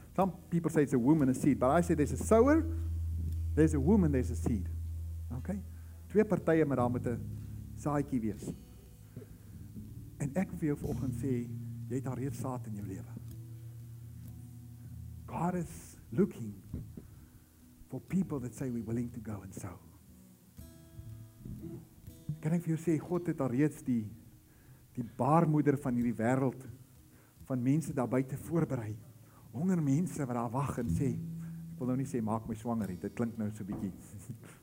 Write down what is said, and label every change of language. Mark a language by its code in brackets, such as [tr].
[en] Some people say it's a womb and a seed, but I say there's a sower, there's a womb and there's a seed. Okay? [af] Twee partye met daar met 'n saadjie wees. En ek wil vir jou vanoggend sê, jy het al reeds saad in jou lewe. [en] God is looking for people that say we're willing to go and sow. [af] Kan ek vir jou sê, God het al reeds die baarmoeder van hierdie wêreld van mense daar buite voorberei. Honger mense wat daar wag en sê, ek wil nou nie sê maak my swanger nie, dit klink nou so 'n bietjie.